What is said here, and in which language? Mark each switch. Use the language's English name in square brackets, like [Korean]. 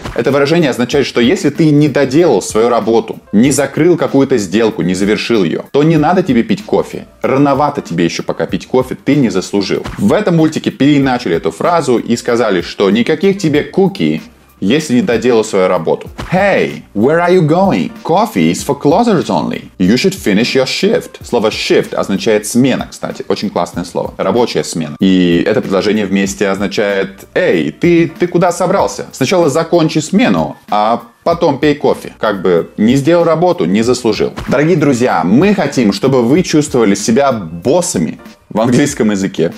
[Russian] Это выражение означает, что если ты не доделал свою работу, не закрыл какую-то сделку, не завершил ее, то не надо тебе пить кофе. Рановато тебе еще пока пить кофе, ты не заслужил. В этом мультике переиначили эту фразу и сказали, что никаких тебе куки, если не доделал свою работу. [English] Hey, where are you going? Coffee is for closers only. You should finish your shift. [Russian] Слово shift означает смена, кстати. Очень классное слово. Рабочая смена. И это предложение вместе означает: эй, ты куда собрался? Сначала закончи смену, а потом пей кофе. Как бы не сделал работу, не заслужил. Дорогие друзья, мы хотим, чтобы вы чувствовали себя боссами в английском языке.